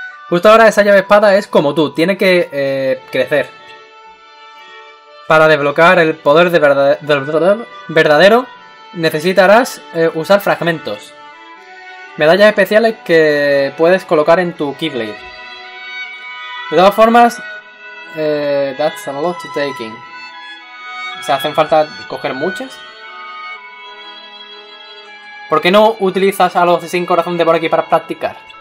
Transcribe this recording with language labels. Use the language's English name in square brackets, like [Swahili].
[Spanish] Justo ahora esa llave espada es como tú. Tiene que crecer. Para desbloquear el poder de verdadero, necesitarás usar fragmentos. Medallas especiales que puedes colocar en tu Keyblade. De todas formas, [English] that's a lot to take in. [Spanish] O sea, hacen falta coger muchas. ¿Por qué no utilizas a los de Sin Corazón de por aquí para practicar?